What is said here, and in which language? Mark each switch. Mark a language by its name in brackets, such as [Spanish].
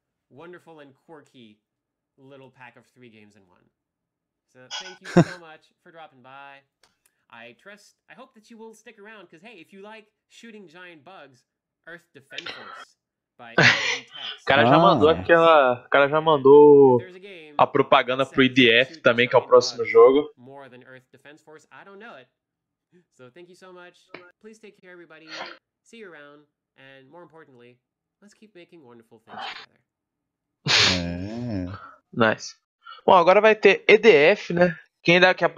[English] Wonderful and quirky little pack of three games in one. So thank you so much for dropping by. I hope that you will stick around, because hey, if you like shooting giant bugs, Earth Defense Force by [Portuguese] O cara já mandou a propaganda pro EDF também, que é o próximo jogo. [English] More than Earth Defense Force, I don't know it. So thank you so much. Please take care, everybody. See you around. And more importantly, let's keep making wonderful things together. [Portuguese] É. Nice. Bom, agora vai ter EDF, né? Quem daqui a pouco